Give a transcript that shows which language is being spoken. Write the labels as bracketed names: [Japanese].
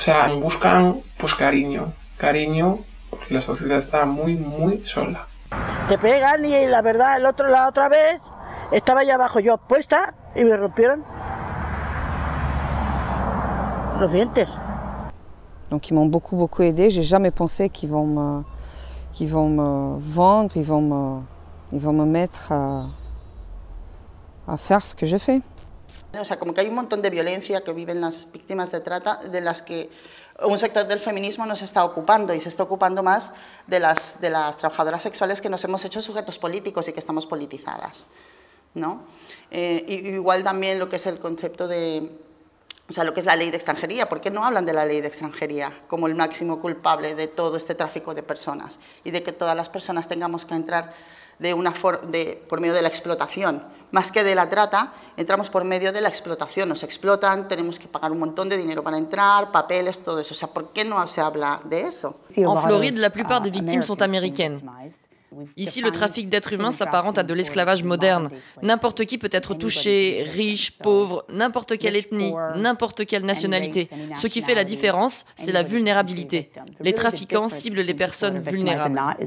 [Spanish] O sea, buscan pues cariño. Cariño, porque la sociedad está muy, muy sola. Te pegan y la verdad, la otra vez estaba allá abajo yo puesta y me rompieron los dientes. [French] Donc ils m'ont beaucoup, beaucoup aidé. J'ai jamais pensé qu'ils vont me... qui vont me vendre, ils vont me mettre à faire ce que je fais. [Spanish] O sea, como que hay un montón de violencia que viven las víctimas de trata, de las que un sector del feminismo no se está ocupando, y se está ocupando más de las trabajadoras sexuales que nos hemos hecho sujetos políticos y que estamos politizadas, ¿no? Igual también lo que es el concepto de... O sea, lo que es la ley de extranjería. ¿Por qué no hablan de la ley de extranjería como el máximo culpable de todo este tráfico de personas y de que todas las personas tengamos que entrar por medio de la explotación? Más que de la trata, entramos por medio de la explotación. Nos explotan, tenemos que pagar un montón de dinero para entrar, papeles, todo eso. O sea, ¿por qué no se habla de eso? [French] En Floride, la plupart des victimes sont américaines. Ici, le trafic d'êtres humains s'apparente à de l'esclavage moderne. N'importe qui peut être touché, riche, pauvre, n'importe quelle ethnie, n'importe quelle nationalité. Ce qui fait la différence, c'est la vulnérabilité. Les trafiquants ciblent les personnes vulnérables.